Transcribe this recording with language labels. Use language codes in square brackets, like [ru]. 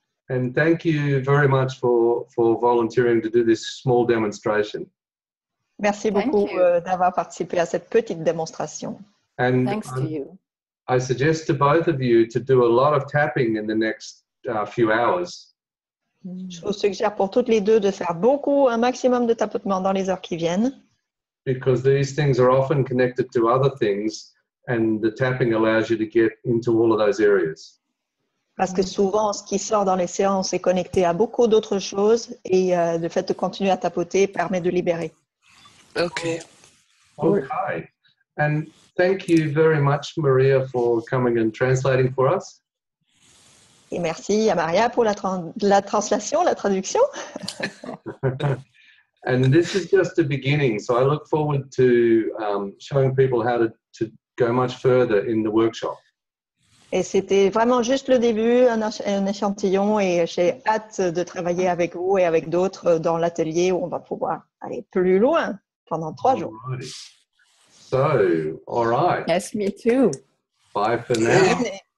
[en] And thank you very much for volunteering to do this small demonstration. [fr] Merci beaucoup d'avoir participé à cette petite démonstration. [en] And thanks to you. I suggest to both of you to do a lot of tapping in the next few hours. [fr] Je vous suggère pour toutes les deux de faire beaucoup, un maximum de tapotement dans les heures qui viennent. [en] Because these things are often connected to other things, and the tapping allows you to get into all of those areas. [fr] Parce que souvent, ce qui sort dans les séances est connecté à beaucoup d'autres choses, et le fait de continuer à tapoter permet de libérer. [en] Okay. And thank you very much, Maria, for coming and translating for us. [fr] Et merci à Maria pour la traduction. [en] And this is just the beginning, so I look forward to showing people how to go much further in the workshop. [fr] Et c'était vraiment juste le début, un échantillon, et j'ai hâte de travailler avec vous et avec d'autres dans l'atelier où on va pouvoir aller plus loin pendant 3 jours. [en] So, all right. Yes, me too. Bye for now. Et